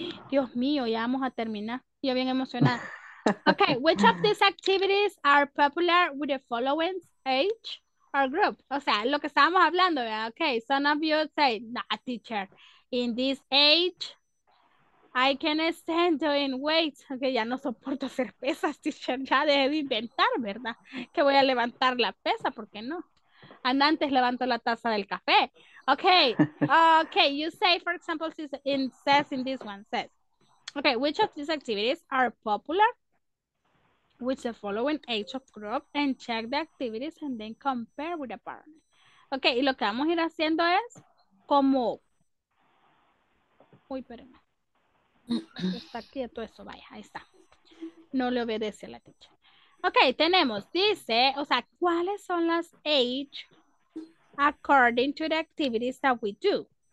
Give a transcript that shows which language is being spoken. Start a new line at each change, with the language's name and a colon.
Spanish: Dios mío, ya vamos a terminar. Yo bien emocionada.
English: Okay, which of these activities are popular with the following age? Our group,
Spanish: o sea, lo que estábamos hablando, ¿verdad?
English: Okay, some of you say, nah, teacher, in this age, I can stand doing weights.
Spanish: Okay, ya no soporto hacer pesas, teacher, ya dejé de inventar, ¿verdad? Que voy a levantar la pesa, ¿por qué no? And antes levanto la taza del café.
English: Okay, okay, you say, for example, says in this one, says, okay, which of these activities are popular with the following age of group and check the activities and then compare with the partner.
Spanish: Ok, y lo que vamos a ir haciendo es como... Uy, espérenme. Está quieto eso, vaya, ahí está.
English: No le obedece a la teacher. Ok,
Spanish: tenemos, dice, o sea, ¿cuáles son las
English: age according to the activities that we do?